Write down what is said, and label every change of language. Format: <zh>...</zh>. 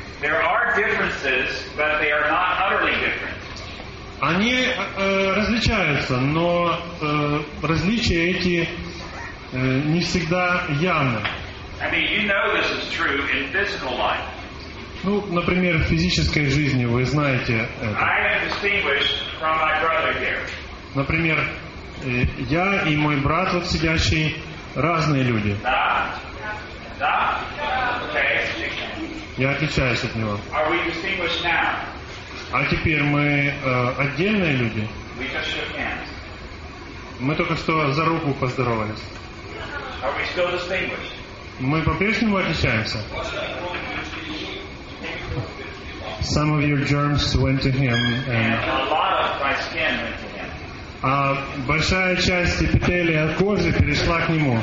<en>There are differences, but they are not utterly different.</en> <ru>Они различаются, но различия эти не всегда явны.</ru> <en>I mean, you know this is true in physical life.</en> <ru>Ну, например, в физической жизни вы знаете это. Например, я и мой брат вот сидящий разные люди. Да. Да. Okay. Я отличаюсь от него.</ru> <en>Are we distinguished now?</en> <ru>А теперь мы отдельные люди.</ru> <en>We just shook hands.</en> <ru>Мы только что за руку поздоровались.</ru> <en>Are we still distinguished?</en> <ru>Мы по-прежнему отличаемся.</ru> <en>Some of your germs went to him, and a lot of my skin went to him.</en> <ru>А большая часть эпителия кожи перешла к нему.</ru>